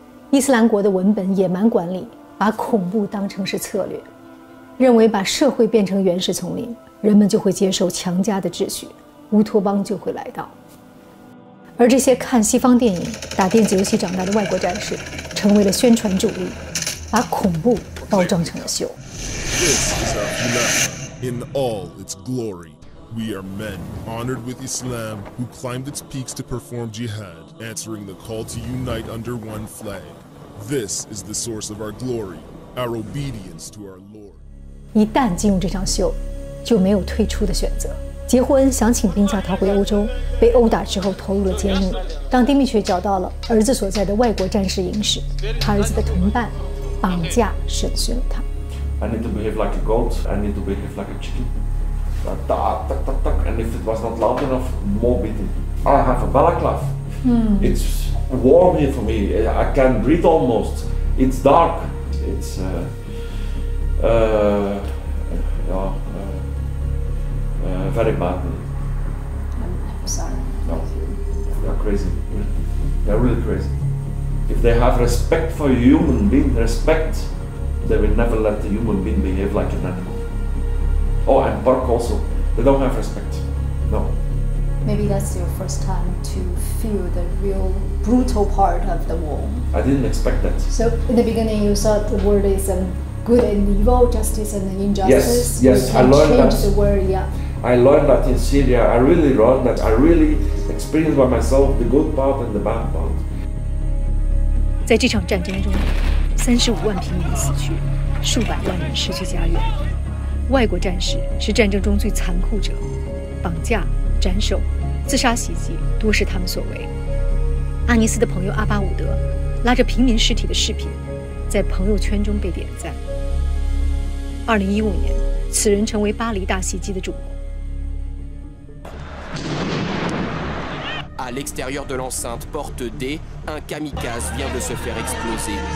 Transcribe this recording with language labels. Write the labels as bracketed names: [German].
[Chinese] 伊斯兰国的文本野蛮管理把恐怖当成是策略，认为把社会变成原始丛林，人们就会接受强加的秩序，乌托邦就会来到。而这些看西方电影、打电子游戏长大的外国战士，成为了宣传主力，把恐怖包装成了秀。 [English] This is our Khilafah in all its glory. We are men honored with Islam who climbed its peaks to perform jihad, answering the call to unite under one flag. This is the source of our glory, our obedience to our Lord. [Chinese] 一旦进入这场秀，就没有退出的选择。杰霍恩想请病假逃回欧洲，被殴打之后投入了监狱。当丁密却找到了儿子所在的外国战士营时，他儿子的同伴绑架审讯了他。 [English] I need to behave like a goat. I need to behave like a chicken. Da da da da da. And if it was not loud enough, more beating. I have a balaclava. It's warm here for me. I can breathe almost. It's dark. It's very bad. I'm sorry. No, they're crazy. They're really crazy. If they have respect for a human being, respect, they will never let the human being behave like an animal. Oh, and bark also. They don't have respect. No. Maybe that's your first time to feel the real brutal part of the war. I didn't expect that. So in the beginning, you thought the world is good and evil, justice and injustice. Yes, I learned that. The world, yeah. I learned that in Syria, I really learned that, I really experienced by myself the good part and the bad part. [Chinese] 在这场战争中，35万平民死去，数百万人失去家园。外国战士是战争中最残酷者，绑架、斩首、自杀袭击多是他们所为。阿尼斯的朋友阿巴伍德拉着平民尸体的视频，在朋友圈中被点赞。 2015年，此人成为巴黎大袭击的主谋。 [French] À l'extérieur de l'enceinte porte D, un kamikaze vient de se faire exploser.